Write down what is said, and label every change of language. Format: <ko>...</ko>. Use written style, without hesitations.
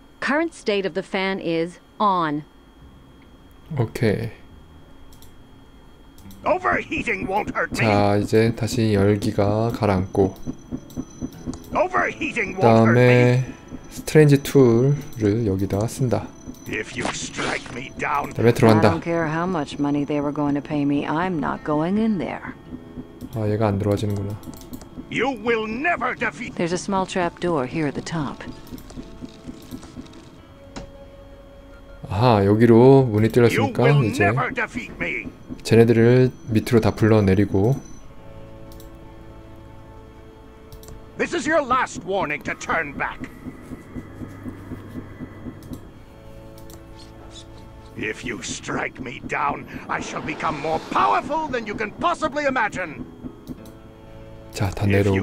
<en>Current state of the fan is on. Okay. Overheating won't hurt me.</en> <ko>자, 이제 다시 열기가 가라앉고.</ko> <en>Overheating won't hurt me.</en> <ko>다음에 스트레인지 툴을 여기다 쓴다.</ko> <en>If you strike me down,</en> <ko>다음에 들어간다.</ko> <en>I don't care how much money they were going to pay me. I'm not going in there.</en> <ko>아, 얘가 안 들어와지는구나.</ko> <en>You will never defeat. There's a small trap door here at the top.</en> <ko>아하, 여기로 문이 뚫렸으니까 이제 쟤네들을 밑으로 다 불러내리고.</ko> <en>This is your last warning to turn back. If you strike me down, I shall become more powerful than you can possibly imagine.</en> <ko>자, 다 내려오고.</ko>